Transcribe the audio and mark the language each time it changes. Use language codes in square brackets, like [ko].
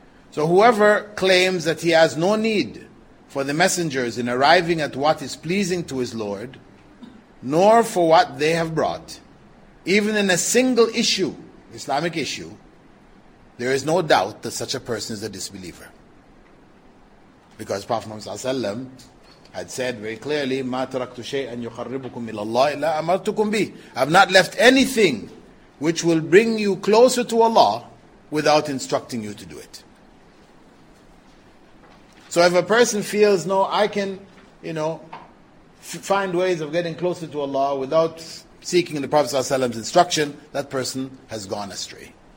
[en] So whoever claims that he has no need for the messengers in arriving at what is pleasing to his Lord, nor for what they have brought, even in a single issue, Islamic issue, there is no doubt that such a person is a disbeliever. Because Prophet Muhammad ﷺ had said very clearly, [ar] مَا تَرَكْتُ شَيْئًا يُخَرِّبُكُمْ إِلَى اللَّهِ إِلَّا أَمَرْتُكُمْ بِهِ. [en] I have not left anything which will bring you closer to Allah without instructing you to do it. So if a person feels, no, I can find ways of getting closer to Allah without seeking the Prophet's instruction, that person has gone astray.